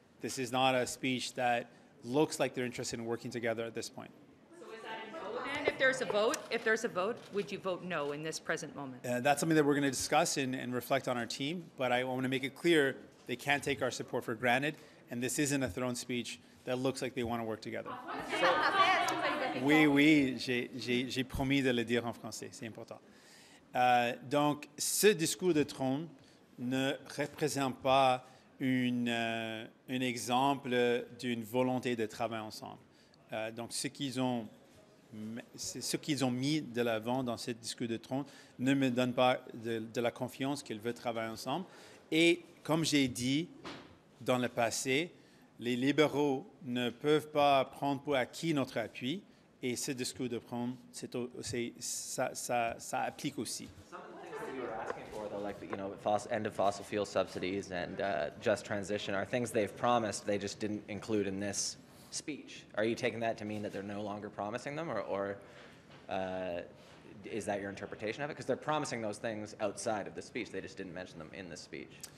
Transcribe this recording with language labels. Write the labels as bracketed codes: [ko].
[en] This is not a speech that looks like they're interested in working together at this point. If there's a vote, would you vote no in this present moment? That's something that we're going to discuss and reflect on our team, but I want to make it clear they can't take our support for granted, and this isn't a throne speech that looks like they want to work together. [fr] Oui, j'ai promis de le dire en français, c'est important. Donc, ce discours de trône ne représente pas un exemple d'une volonté de travailler ensemble. Donc, ce qu'ils ont mis de l'avant dans ce discours de trône ne me donne pas de la confiance qu'ils veulent travailler ensemble. Et comme j'ai dit dans le passé, les libéraux ne peuvent pas prendre pour acquis notre appui. Et ce discours de prendre, ça applique aussi. [en] Like, you know, end of fossil fuel subsidies and just transition are things they've promised, they just didn't include in this speech. Are you taking that to mean that they're no longer promising them, or is that your interpretation of it? Because they're promising those things outside of the speech, they just didn't mention them in the speech.